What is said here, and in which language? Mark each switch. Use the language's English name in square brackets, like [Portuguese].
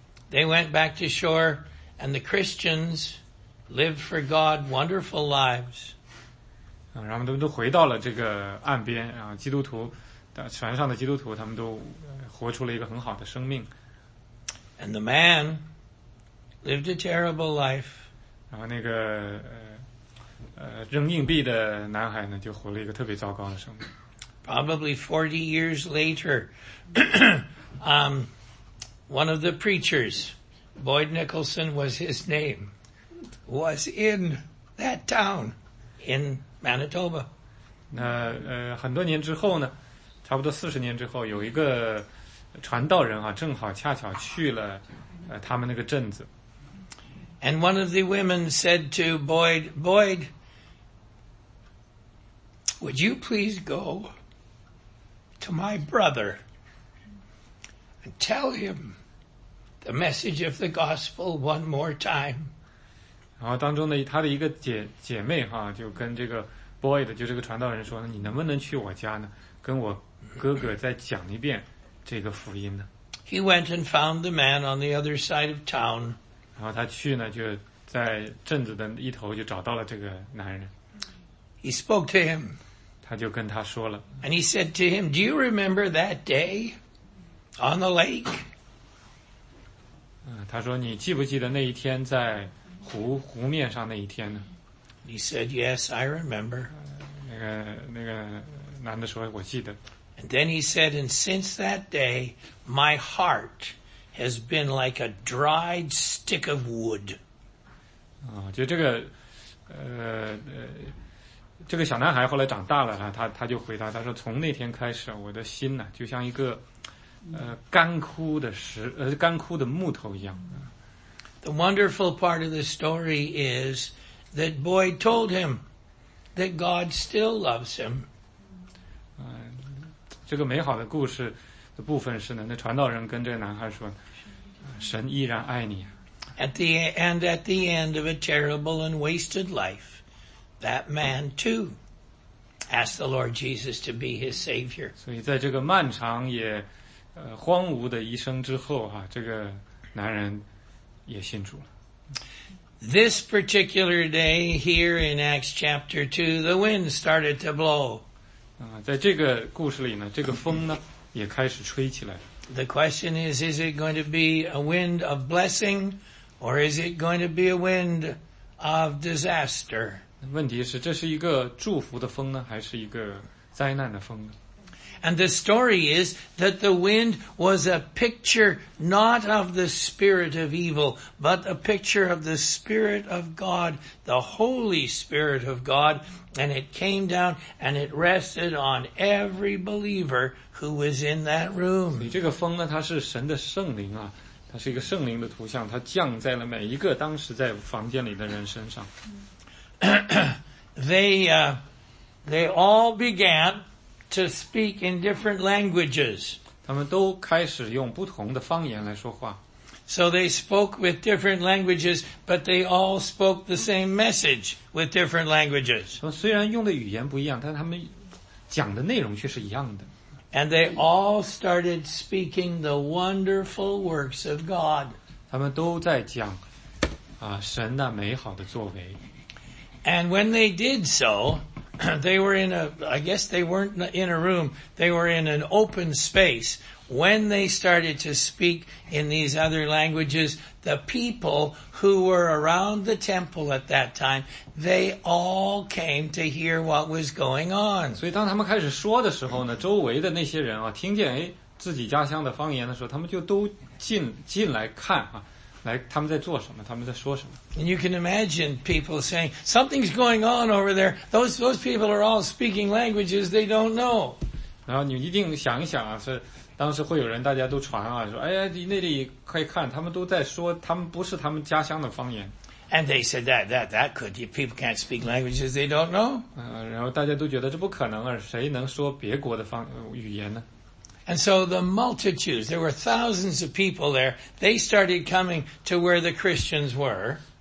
[English] They went back to shore and the Christians lived for God wonderful lives. [Chinese] 然后他们都回到了这个岸边，然后基督徒船上的基督徒他们都活出了一个很好的生命。 [English] And the man lived a terrible life. [Chinese] 然后那个扔硬币的男孩呢，就活了一个特别糟糕的生命。 [English] Probably 40 years later, one of the preachers, Boyd Nicholson was his name, was in that town. in Manitoba. [Chinese] 那很多年之后呢，差不多四十年之后，有一个传道人啊，正好恰巧去了他们那个镇子。 [English] And one of the women said to Boyd, Boyd, would you please go to my brother and tell him the message of the gospel one more time? [Chinese] 然后当中呢，他的一个姐妹哈，就跟这个 Boyd, 就这个传道人说，你能不能去我家呢，跟我哥哥再讲一遍这个福音呢？ [English] He went and found the man on the other side of town. [Chinese] 然后他去呢，就在镇子的一头就找到了这个男人。 [English] He spoke to him. [Chinese] 他就跟他说了。 [English] And he said to him, do you remember that day on the lake? [Chinese] 他说，你记不记得那一天在湖面上那一天呢？ [English] He said, yes, I remember. [Chinese] 那个男的说，我记得。 [English] And then he said, and since that day, my heart has been like a dried stick of wood. [Chinese] 就这个这个小男孩后来长大了，他就回答，他说，从那天开始，我的心呢，就像一个干枯的木头一样。 [English] The wonderful part of the story is that Boyd told him that God still loves him. [Chinese] 这个美好的故事的部分是呢，那传道人跟这个男孩说，神依然爱你。 [English] At the end of a terrible and wasted life, that man too asked the Lord Jesus to be his Savior. [Chinese] 所以在这个漫长也荒芜的一生之后啊，这个男人也信主了。 [English] This particular day here in Acts chapter 2, the wind started to blow. [Chinese] 在这个故事里呢，这个风呢也开始吹起来。 [English] The question is it going to be a wind of blessing or is it going to be a wind of disaster? [Chinese] 问题是，这是一个祝福的风呢，还是一个灾难的风呢？ [English] And the story is that the wind was a picture not of the spirit of evil, but a picture of the spirit of God, the Holy Spirit of God, and it came down and it rested on every believer who was in that room. [Chinese] 这个风呢，它是神的圣灵啊，它是一个圣灵的图像，它降在了每一个当时在房间里的人身上。 [English] They all began to speak in different languages. [Chinese] 他们都开始用不同的方言来说话。 [English] So they spoke with different languages, but they all spoke the same message with different languages. [Chinese] 虽然用的语言不一样，但他们讲的内容却是一样的。 [English] And they all started speaking the wonderful works of God. [Chinese] 他们都在讲神的美好的作为。 [English] And when they did so, they were in a, I guess they weren't in a room, they were in an open space. When they started to speak in these other languages, the people who were around the temple at that time, they all came to hear what was going on. [Chinese] 所以当他们开始说的时候呢，周围的那些人啊，听见自己家乡的方言的时候，他们就都进来看啊，来他们在做什么，他们在说什么。 [English] And you can imagine people saying, something's going on over there. Those people are all speaking languages they don't know. [Chinese] 然后你一定想一想啊，是当时会有人大家都传啊，说哎呀，你那里可以看，他们都在说他们不是他们家乡的方言。 [English] And they said that could, if people can't speak languages they don't know. [Chinese] 然后大家都觉得这不可能啊，谁能说别国的语言呢？ [English] And so the multitudes, there were thousands of people there, they started coming to where the Christians were.